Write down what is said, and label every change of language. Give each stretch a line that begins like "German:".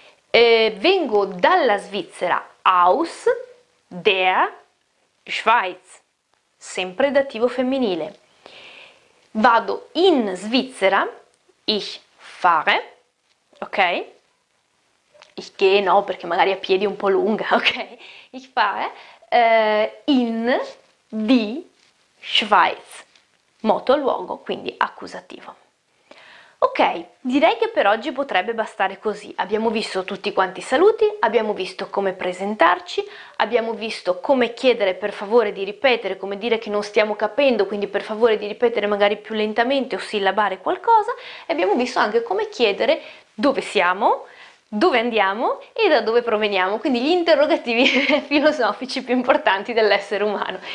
Italian: Vengo dalla Svizzera,
German: aus der Schweiz,
Italian: sempre dativo femminile. Vado in Svizzera.
German: Ich fahre,
Italian: ok?
German: Ich gehe,
Italian: no, perché magari a piedi è un po' lunga, ok?
German: Ich fahre in die Schweiz.
Italian: Moto al luogo, quindi accusativo. Ok, direi che per oggi potrebbe bastare così. Abbiamo visto tutti quanti i saluti, abbiamo visto come presentarci, abbiamo visto come chiedere per favore di ripetere, come dire che non stiamo capendo, quindi per favore di ripetere magari più lentamente o sillabare qualcosa, e abbiamo visto anche come chiedere dove siamo, dove andiamo e da dove proveniamo, quindi gli interrogativi filosofici più importanti dell'essere umano.